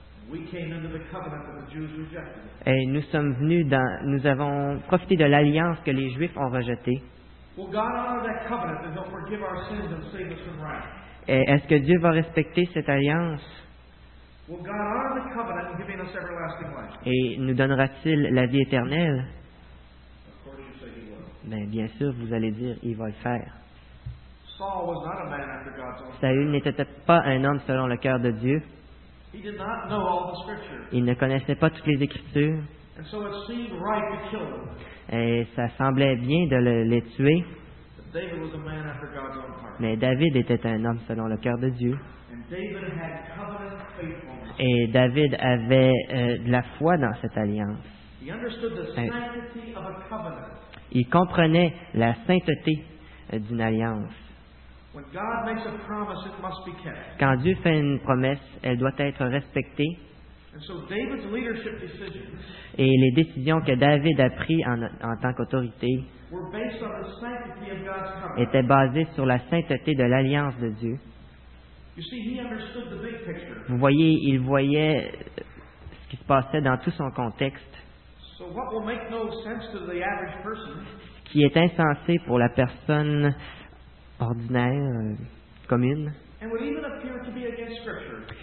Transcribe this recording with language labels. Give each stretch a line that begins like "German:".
English: We came into the covenant that the Jews rejected.
French: Et nous sommes venus dans, nous avons profité de l'alliance que les Juifs ont rejetée.
English: Will God honor that covenant and he'll forgive our sins and save us from wrath?
French: Et est-ce que Dieu va respecter cette alliance?
English: Will God honor the covenant and giving us everlasting life?
French: Et nous donnera-t-il la vie éternelle?
English: Of course you say he will.
French: Ben, bien sûr, vous allez dire, il va le faire.
English: Saul was not a man after God's own.
French: Saül n'était pas un homme selon le cœur de Dieu.
English: He did not know all the scriptures.
French: Il ne connaissait pas toutes les Écritures.
English: And so it seemed right to kill him.
French: Et ça semblait bien de les tuer.
English: But David was a man after God's own heart.
French: Mais David était un homme selon le cœur de Dieu.
English: And David had covenant faithfulness.
French: Et David avait de la foi dans cette alliance.
English: He understood the sanctity of a covenant.
French: Il comprenait la sainteté d'une alliance.
English: When God makes a promise, it must be kept.
French: Quand Dieu fait une promesse, elle doit être respectée.
English: And so David's leadership decisions,
French: et les décisions que David a prises en tant qu'autorité
English: were based on the sanctity of God's covenant.
French: Étaient basées sur la sainteté de l'alliance de Dieu.
English: You see, he understood the big picture.
French: Vous voyez, il voyait ce qui se passait dans tout son contexte.
English: So what will make no sense to the average person,
French: ce qui est insensé pour la personne ordinaire, commune,
English: and would even appear to be against scripture.